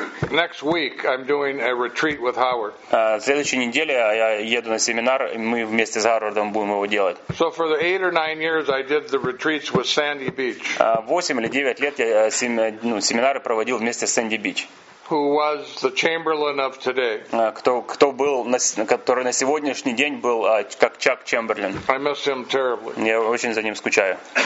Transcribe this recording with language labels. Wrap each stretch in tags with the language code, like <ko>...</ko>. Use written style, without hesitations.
<en>Next week I'm doing a retreat with Howard.</en> <ru>Следующей неделе я еду на семинар, и мы вместе с Гарвардом будем его делать.</ru> <en>So for the 8 or 9 years I did the retreats with Sandy Beach.</en> <ru>8 или 9 лет я семинары проводил вместе с Сэнди Бич.</ru> <en>Who was the chamberlain of today?</en> <ru>Кто был, который на сегодняшний день был как Чак Чемберлин.</ru> <en>I miss him terribly.</en> <ru>Я очень за ним скучаю.</ru>